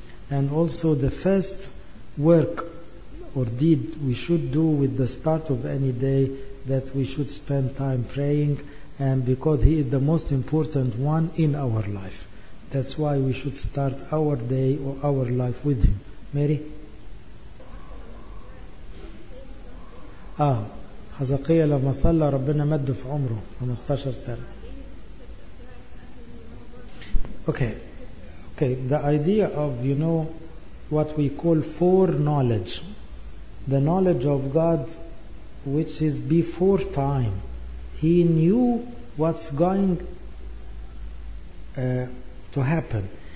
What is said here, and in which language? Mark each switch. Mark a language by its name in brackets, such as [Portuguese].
[English] And also the first work or deed we should do with the start of any day, that we should spend time praying, and because he is the most important one in our life. That's why we should start our day or our life with him. Mary? [Arabic] حزقية لما صلى ربنا مد في عمره 15 سنة. [English] Okay. The idea of, you know, what we call foreknowledge. The knowledge of God, which is before time. He knew what's going to happen.